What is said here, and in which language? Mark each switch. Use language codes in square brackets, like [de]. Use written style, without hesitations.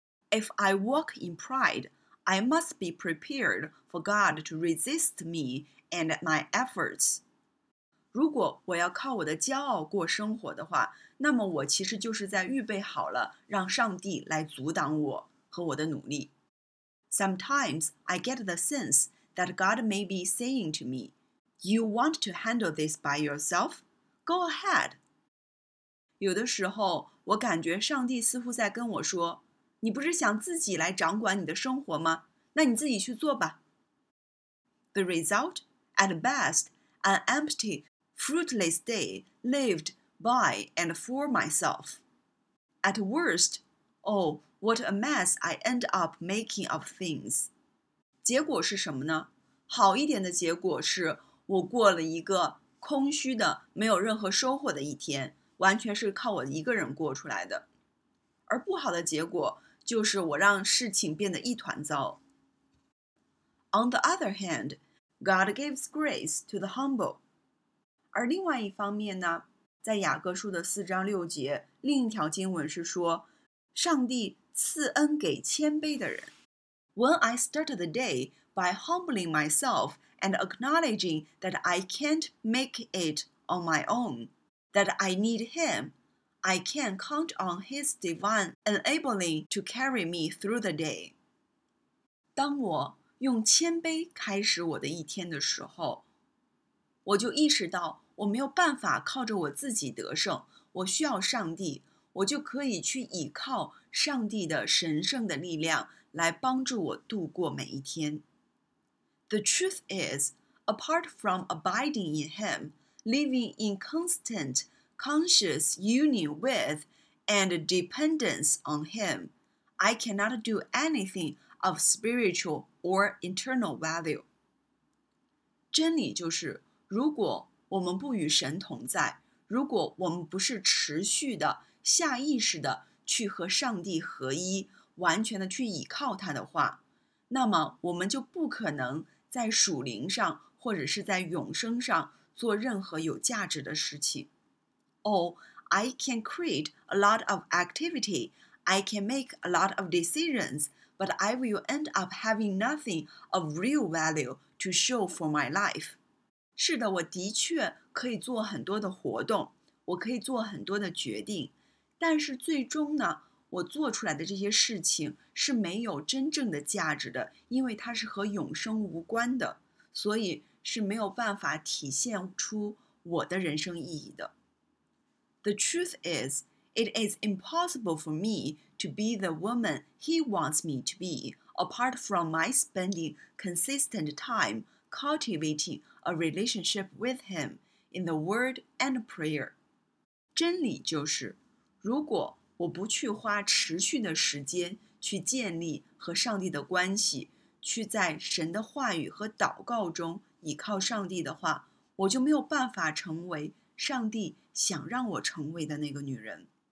[en] If I walk in pride, I must be prepared for God to resist me and my efforts. [zh] 如果我要靠我的骄傲过生活的话，那么我其实就是在预备好了让上帝来阻挡我和我的努力。 [en] Sometimes I get the sense that God may be saying to me, You want to handle this by yourself? Go ahead. [zh] 有的时候我感觉上帝似乎在跟我说，你不是想自己来掌管你的生活吗？那你自己去做吧。 [en] The result, at best, an empty, fruitless day lived by and for myself. At worst, oh, what a mess I end up making of things. [zh] 结果是什么呢？好一点的结果是我过了一个空虚的、没有任何收获的一天，完全是靠我一个人过出来的。而不好的结果就是我让事情变得一团糟。 [en] On the other hand, God gives grace to the humble. [zh] 而另外一方面呢，在雅各书的四章六节，另一条经文是说，上帝赐恩给谦卑的人。 [en] When I start the day by humbling myself and acknowledging that I can't make it on my own, that I need Him,I can count on His divine enabling to carry me through the day. [zh] 当我用谦卑开始我的一天的时候，我就意识到我没有办法靠着我自己得胜，我需要上帝，我就可以去倚靠上帝的神圣的力量来帮助我度过每一天。 [en] The truth is, apart from abiding in Him, living in constantconscious union with and dependence on Him, I cannot do anything of spiritual or internal value. [zh] 真理就是，如果我们不与神同在，如果我们不是持续的、下意识的去和上帝合一，完全的去倚靠他的话，那么我们就不可能在属灵上或者是在永生上做任何有价值的事情。 [en] Oh, I can create a lot of activity, I can make a lot of decisions, but I will end up having nothing of real value to show for my life. [zh] 是的，我的确可以做很多的活动，我可以做很多的决定，但是最终呢，我做出来的这些事情是没有真正的价值的，因为它是和永生无关的，所以是没有办法体现出我的人生意义的。 [en] The truth is, it is impossible for me to be the woman he wants me to be, apart from my spending consistent time cultivating a relationship with him in the word and prayer. [zh] 真理就是，如果我不去花持续的时间去建立和上帝的关系，去在神的话语和祷告中倚靠上帝的话，我就没有办法成为上帝想让我成为的那个女人。